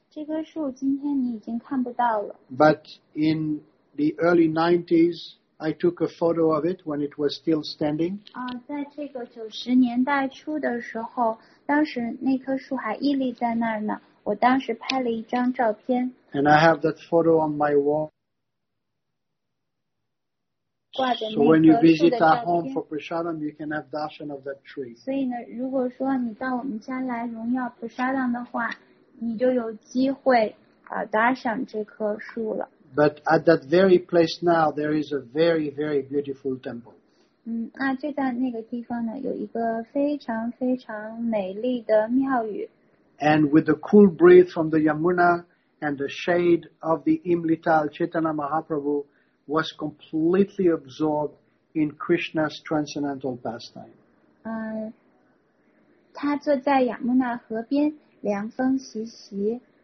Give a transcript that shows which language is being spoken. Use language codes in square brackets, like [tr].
[zh] 这棵树今天你已经看不到了。 [en] But in... The early 90s, I took a photo of it when it was still standing. [zh] 在这个90年代初的时候，当时那棵树还屹立在那儿呢。我当时拍了一张照片。 [en] And I have that photo on my wall. [zh] 挂着那棵树的。 [en] So when you visit our home for Prasadam, you can have darshan of that tree. [zh] 所以呢，如果说你到我们家来荣耀 Prasadam 的话，你就有机会darshan 这棵树了。 [en] But at that very place now, there is a very, very beautiful temple. [zh] 那就在那个地方呢，有一个非常非常美丽的庙宇。 [en] And with the cool breeze from the Yamuna and the shade of the Imlital, Chaitanya Mahaprabhu was completely absorbed in Krishna's transcendental pastime. [zh] 他坐在亚穆纳河边，凉风习习。